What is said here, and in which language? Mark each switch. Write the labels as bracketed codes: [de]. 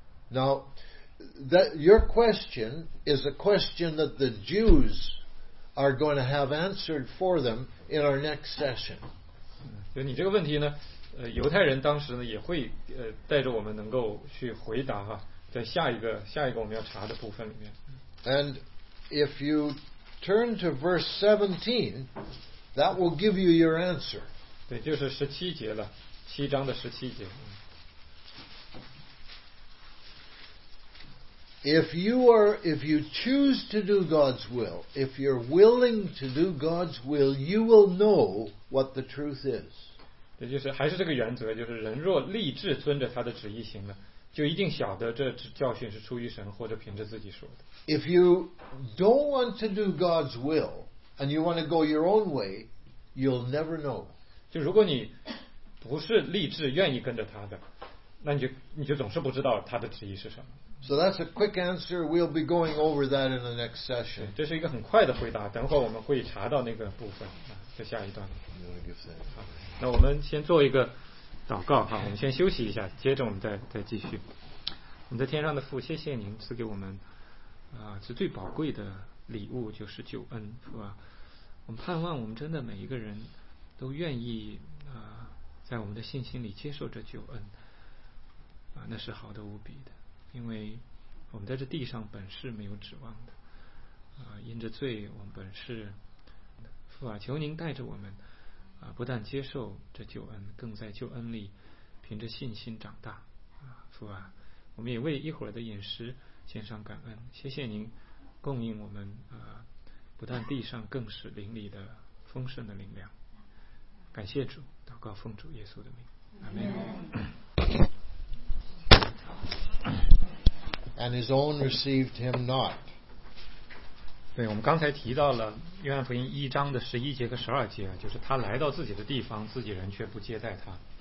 [en] Now, that your question is a question that the Jews are going to have answered for them in our next session. [zh] 就你这个问题呢，犹太人当时呢也会带着我们能够去回答哈，在下一个我们要查的部分里面。 [en] And if you turn to verse 17, that will give you your answer. [zh] 对，就是十七节了，七章的十七节。 [en] If you choose to do God's will, if you're willing to do God's will, you will know what the truth is. [zh] 也就是还是这个原则，就是人若立志遵着他的旨意行呢，就一定晓得这教训是出于神或者凭着自己说的。 [en] If you don't want to do God's will and you want to go your own way, you'll never know. [zh] 就如果你不是立志愿意跟着他的，那你就总是不知道他的旨意是什么。 [en] So that's a quick answer. We'll be going over that in the next session. [zh] 这是一个很快的回答，等会我们会查到那个部分，在下一段。好，那我们先做一个祷告哈，我们先休息一下，接着我们再继续。我们的天上的父，谢谢您赐给我们这最宝贵的礼物，就是救恩，是吧？我们盼望我们真的每一个人都愿意在我们的信心里接受这救恩那是好的无比的，因为我们在这地上本是没有指望的因着罪我们本是父啊，求您带着我们不但接受这救恩，更在救恩里凭着信心长大父啊，我们也为一会儿的饮食献上感恩，谢谢您供应我们不但地上更是灵里的丰盛的灵粮，感谢主，祷告奉主耶稣的名，阿门。 [en] And his own received him not. [zh] 对，我们刚才提到了约翰福音一章的十一节和十二节，就是他来到自己的地方，自己人却不接待他。